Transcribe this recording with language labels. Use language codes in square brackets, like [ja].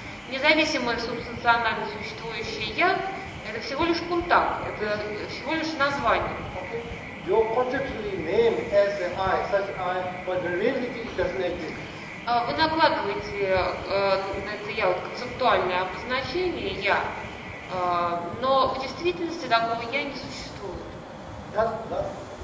[ru] Независимое субстанциональное существующее «я» — это всего лишь кунтак, это всего лишь название. [en] Your conceptually name as an I, such I, but in reality it doesn't exist. [ru] Вы накладываете на это я вот концептуальное обозначение я, но в действительности такого я не существует.